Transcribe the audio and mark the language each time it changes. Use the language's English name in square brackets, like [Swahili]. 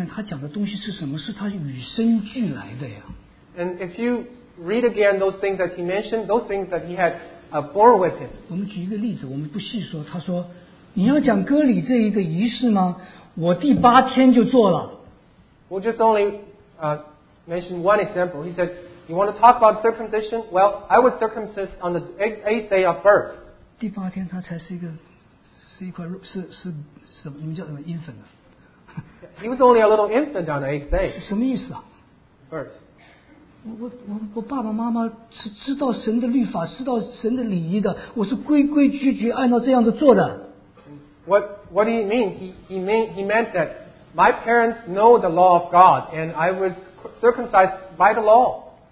[Chinese] 弟兄姐妹你要知道你再仔细看看他讲的东西是什么是他与生俱来的呀。 [English] And if you read again those things that he mentioned, those things that he had born with him. [Chinese] 我们举一个例子，我们不细说。他说，你要讲割礼这一个仪式吗？我第八天就做了。 [English] We'll just only mention one example. He said, "You want to talk about circumcision? Well, I was circumcised on the eighth day of birth." [Chinese] 第八天他才是一个，是一块肉，是什么？你们叫什么？infant？ [English] He was only a little infant on the eighth day. [Chinese] 什么意思啊？ [English] Birth. [Chinese] 我爸爸妈妈是知道神的律法，知道神的礼仪的，我是规规矩矩按照这样的做的。 [English] What do you mean? He meant that my parents know the law of God, and I was circumcised by the law.